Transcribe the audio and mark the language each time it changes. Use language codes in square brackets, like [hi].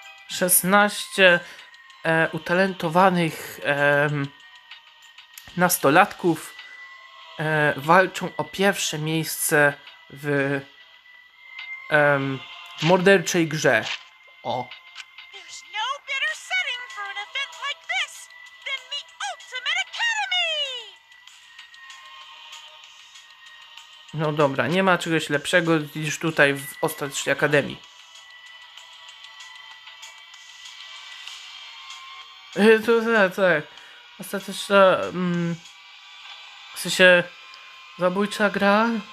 [pl] 16 utalentowanych nastolatków walczą o pierwsze miejsce w morderczej grze. O. [en] There's no better setting for an event like this than the Ultimate Academy. [pl] No dobra, nie ma czegoś lepszego niż tutaj w Ostatecznej Akademii. To tak. Ostateczna. W sensie. Zabójcza gra.